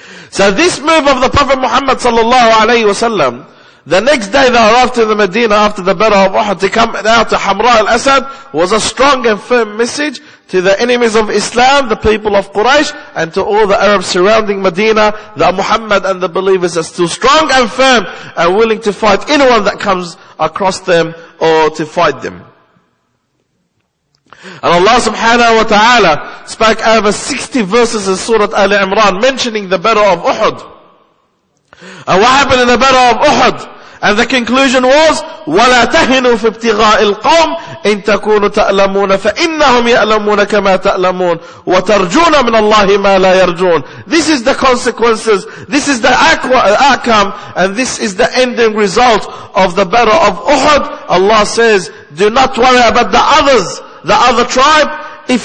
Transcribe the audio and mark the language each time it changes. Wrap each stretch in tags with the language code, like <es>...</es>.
<en>So this move of the Prophet Muhammad sallallahu alayhi wa sallam, the next day they arrived to the Medina after the Battle of Uhud to come out to Hamra al-Asad, was a strong and firm message to the enemies of Islam, the people of Quraysh, and to all the Arabs surrounding Medina, that Muhammad and the believers are still strong and firm and willing to fight anyone that comes across them or to fight them. And Allah subhanahu wa ta'ala spoke over 60 verses in Surah Ali Imran mentioning the Battle of Uhud. And what happened in the Battle of Uhud? And the conclusion was,</en> <ar>وَلَا تَهِنُوا فِي ابْتِغَاءِ الْقَوْمِ إِن تَكُونُوا تَأْلَمُونَ فَإِنَّهُمْ يَأْلَمُونَ كَمَا تَأْلَمُونَ وَتَرْجُونَ مِنَ اللَّهِ مَا لَا يَرْجُونَ.</ar> <en>This is the consequences, this is the outcome, and this is the ending result of the battle of Uhud. Allah says, do not worry about the others, the other tribe.</en>